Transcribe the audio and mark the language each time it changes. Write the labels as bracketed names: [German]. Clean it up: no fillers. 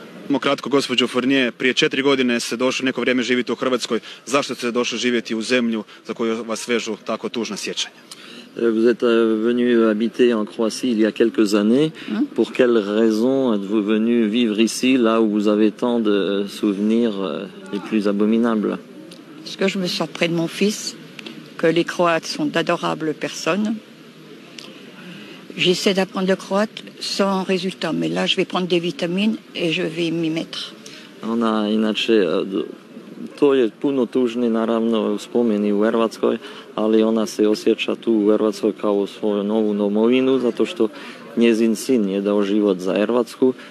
[Croatian] Samo kratko, gospođo Fournier, prije 4 godine se došlo neko vrijeme živjeti u Hrvatskoj. Zašto ste došli živjeti u zemlju za koju vas vežu tako tužna sjećanja? [French] Vous êtes venu habiter en Croatie il y a quelques années. Hmm? Pour quelles raisons êtes-vous venu vivre ici, là où vous avez tant de souvenirs les plus abominables? Parce que je me sens près de mon fils, que les Croates sont d'adorables personnes. J'essaie d'apprendre le croate sans résultat, mais là je vais prendre des vitamines et je vais m'y mettre. [Croatian] On a inače, to je puno tužni naravno spomeni u Hrvatskoj, ali ona se osjeća tu u Hrvatskoj kao svoju novu domovinu, zato što njezin sin je dao život za Hrvatsku.